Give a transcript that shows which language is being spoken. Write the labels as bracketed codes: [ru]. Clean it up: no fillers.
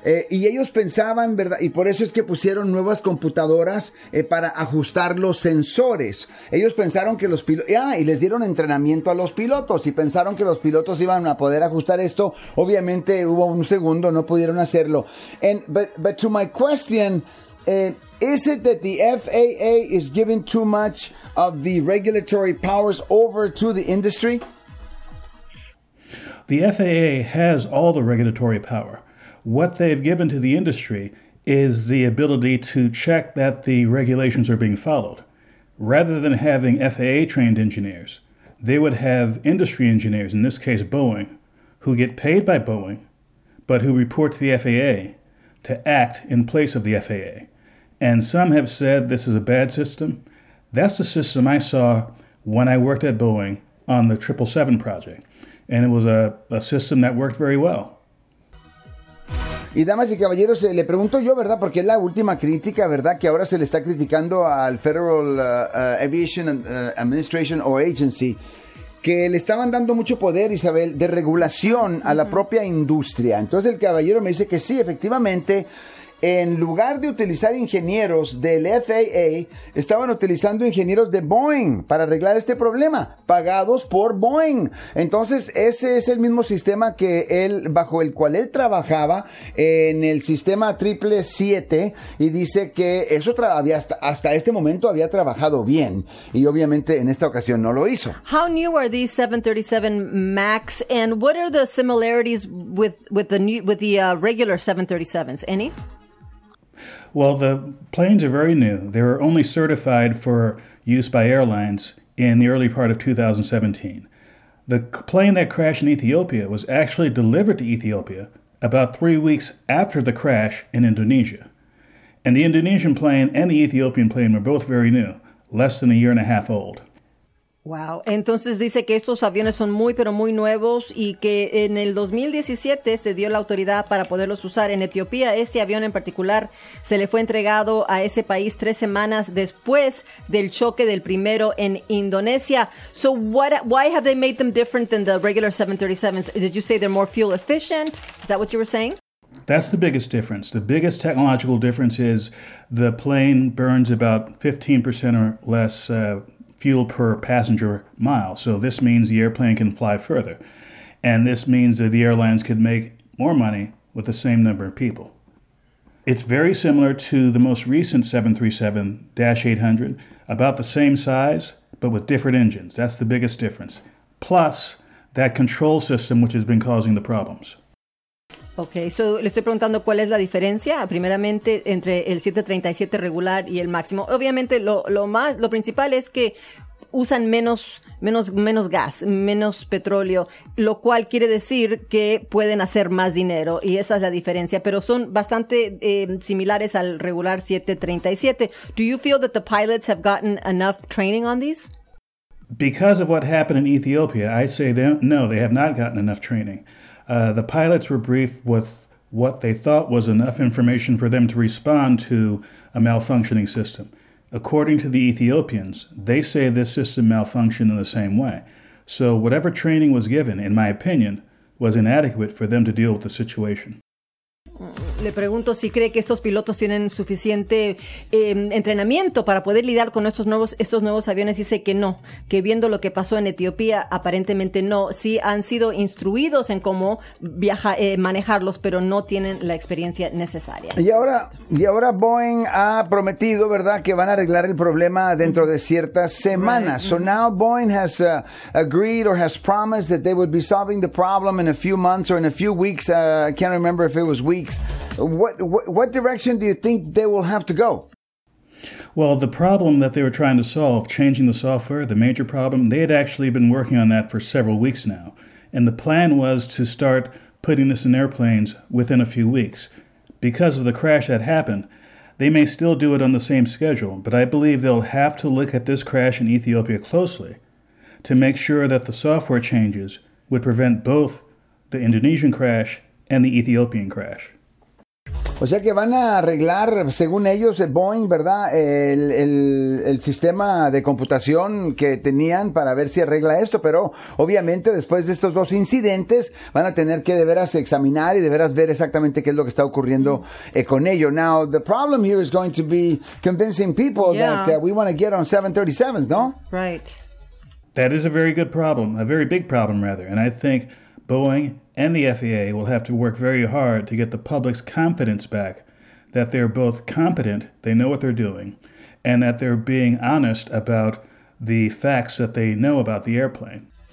[es] Y ellos pensaban, ¿verdad? Y por eso es que pusieron nuevas computadoras para ajustar los sensores. Ellos pensaron que los pilotos... Y les dieron entrenamiento a los pilotos y pensaron que los pilotos iban a poder ajustar esto. Obviamente hubo un segundo, no pudieron hacerlo. [en] But to my question, is it that the FAA is giving too much of the regulatory powers over to the industry? The FAA has all the regulatory power. What they've given to the industry is the ability to check that the regulations are being followed. Rather than having FAA-trained engineers, they would have industry engineers, in this case Boeing, who get paid by Boeing, but who report to the FAA to act in place of the FAA. And some have said this is a bad system. That's the system I saw when I worked at Boeing on the 777 project. And it was a system that worked very well. [es] Y damas y caballeros, le pregunto yo, ¿verdad? Porque es la última crítica, ¿verdad? Que ahora se le está criticando al Federal Aviation Administration o Agency, que le estaban dando mucho poder, Isabel, de regulación a la propia industria. Entonces el caballero me dice que sí, efectivamente, en lugar de utilizar ingenieros del FAA, estaban utilizando ingenieros de Boeing para arreglar este problema, pagados por Boeing. Entonces, ese es el mismo sistema que él, bajo el cual él trabajaba en el sistema 777, y dice que eso hasta este momento había trabajado bien, y obviamente en esta ocasión no lo hizo. [en] How new are these 737 MAX, and what are the similarities with the regular 737s? Any? Well, the planes are very new. They were only certified for use by airlines in the early part of 2017. The plane that crashed in Ethiopia was actually delivered to Ethiopia about 3 weeks after the crash in Indonesia. And the Indonesian plane and the Ethiopian plane were both very new, less than a year and a half old. Wow. [es] Entonces dice que estos aviones son muy, pero muy nuevos y que en el 2017 se dio la autoridad para poderlos usar en Etiopía. Este avión en particular se le fue entregado a ese país 3 semanas después del choque del primero en Indonesia. [en] So why have they made them different than the regular 737s? Did you say they're more fuel efficient? Is that what you were saying? That's the biggest difference. The biggest technological difference is the plane burns about 15% or less fuel per passenger mile. So this means the airplane can fly further. And this means that the airlines could make more money with the same number of people. It's very similar to the most recent 737-800, about the same size, but with different engines. That's the biggest difference. Plus that control system, which has been causing the problems. Okay, so [es] le estoy preguntando cuál es la diferencia, primeramente, entre el 737 regular y el máximo. Obviamente, lo principal es que usan menos gas, menos petróleo, lo cual quiere decir que pueden hacer más dinero, y esa es la diferencia, pero son bastante similares al regular 737. [en] Do you feel that the pilots have gotten enough training on these? Because of what happened in Ethiopia, I say no, they have not gotten enough training. The pilots were briefed with what they thought was enough information for them to respond to a malfunctioning system. According to the Ethiopians, they say this system malfunctioned in the same way. So whatever training was given, in my opinion, was inadequate for them to deal with the situation. [es] Le pregunto si cree que estos pilotos tienen suficiente entrenamiento para poder lidiar con estos nuevos aviones. Dice que no, que viendo lo que pasó en Etiopía, aparentemente no. Sí han sido instruidos en cómo manejarlos, pero no tienen la experiencia necesaria. Y ahora Boeing ha prometido, ¿verdad?, que van a arreglar el problema dentro de ciertas semanas. [en] Right. So now Boeing has agreed or has promised that they would be solving the problem in a few months or in a few weeks. I can't remember if it was weeks. What direction do you think they will have to go? Well, the problem that they were trying to solve, changing the software, the major problem, they had actually been working on that for several weeks now. And the plan was to start putting this in airplanes within a few weeks. Because of the crash that happened, they may still do it on the same schedule, but I believe they'll have to look at this crash in Ethiopia closely to make sure that the software changes would prevent both the Indonesian crash and the Ethiopian crash. [es] O sea que van a arreglar, según ellos, Boeing, ¿verdad? El sistema de computación que tenían para ver si arregla esto. Pero obviamente después de estos dos incidentes van a tener que de veras examinar y de veras ver exactamente qué es lo que está ocurriendo con ello. [en] Now, the problem here is going to be convincing people that we want to get on 737s, [es] ¿no? [en] Right. That is a very good problem, a very big problem, rather. And I think Boeing and the FAA will have to work very hard to get the public's confidence back that they're both competent, they know what they're doing, and that they're being honest about the facts that they know about the airplane.